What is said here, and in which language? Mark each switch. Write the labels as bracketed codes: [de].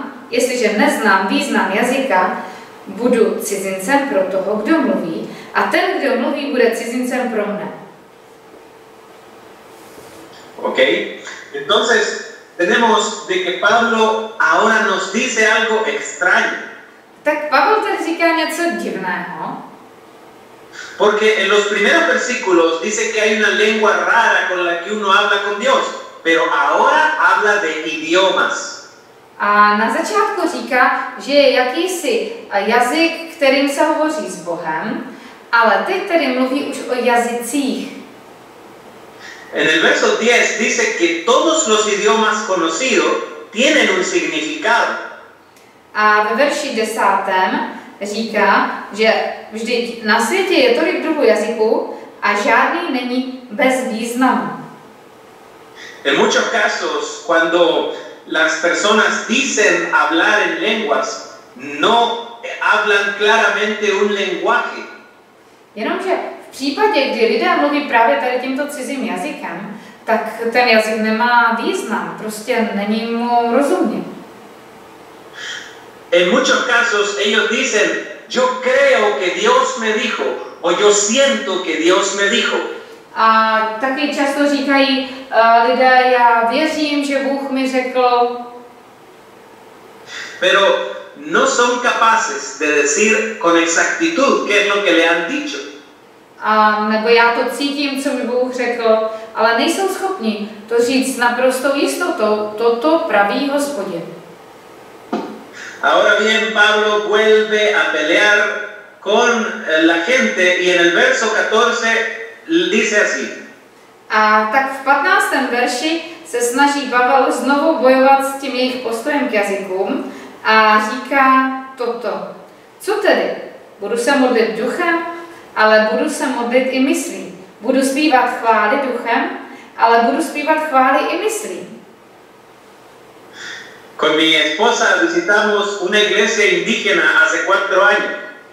[cs] Jestliže neznám význam jazyka, budu cizincem pro toho, kdo mluví, a ten, kdo mluví, bude cizincem pro mne. [es] Ok, entonces tenemos de que Pablo ahora nos dice algo extraño. [cs] Tak Pavel tady říká něco divného. [es] Porque en los primeros versículos dice que hay una lengua rara con la que uno habla con Dios, pero ahora habla de idiomas. [cs] A na začátku říká, že je jakýsi jazyk, kterým se hovoří s Bohem, ale teď tedy mluví už o jazycích. [es] En el verso 10 dice que todos los idiomas conocidos tienen un significado. [cs] A ve verši 10. říká, že vždyť na světě je tolik druhů jazyků a žádný není bez významu. [es] En muchos casos, cuando las personas dicen hablar en lenguas, no hablan claramente un lenguaje. [cs] Jenomže v případě, kdy lidé mluví právě tady tímto cizím jazykem, tak ten jazyk nemá význam, prostě není mu rozumný. [es] En muchos casos ellos dicen, yo creo que Dios me dijo, o yo siento que Dios me dijo. [cs] A taky často říkají lidé, já věřím, že Bůh mi řekl. [es] Pero no son capaces de decir con exactitud qué es lo que le han dicho. [cs] A nebo já to cítím, co mi Bůh řekl, ale nejsou schopni to říct s naprostou jistotou, toto praví Hospodin. [es] Ahora bien, Pablo vuelve a pelear con la gente y en el verso 14 dice así. [cs] A tak v 15. verši se snaží Pavel znovu bojovat s tím jejich postojem k jazykům a říká toto. Co tedy? Budu se modlit duchem, ale budu se modlit i myslí. Budu zpívat chvály duchem, ale budu zpívat chvály i myslí. [es] Con mi esposa visitamos una iglesia indígena hace 4 años.